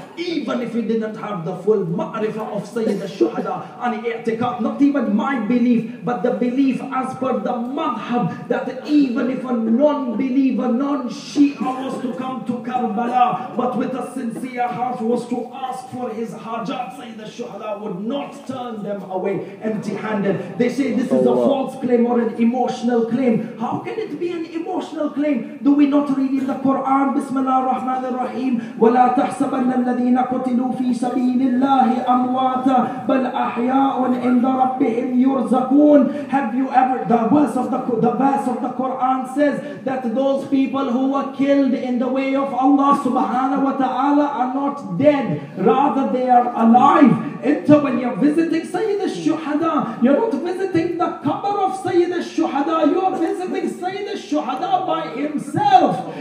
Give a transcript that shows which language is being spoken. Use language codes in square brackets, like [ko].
[en] Even if you didn't have the full ma'rifah of Sayyid al-Shuhada and i'tiqad, not even my belief, but the belief as per the madhab, that even if a non-believer, non-Shia was to come to Karbala, but with a sincere heart was to ask for his hajat, Sayyid al-Shuhada would not turn them away empty-handed. They say this is a false claim or an emotional claim. How can it be an emotional claim? Do we not read in the Quran, [ar] Bismillah ar-Rahman ar-Rahim, وَلَا تَحْسَبَنَّ الَّذِينَ قُتِلُوا فِي سَبِيلِ اللَّهِ أَمْوَاتًا بَلْ أَحْيَاءٌ عِنْدَ رَبِّهِمْ يُرْزَقُونَ. [en] Have you ever, the verse of the Quran says that those people who were killed in the way of Allah subhanahu wa ta'ala are not dead, rather they are alive. Enter when you're visiting Sayyid al-Shuhada, you're not visiting the qabr of Sayyid al-Shuhada, you are visiting Sayyid al-Shuhada by himself.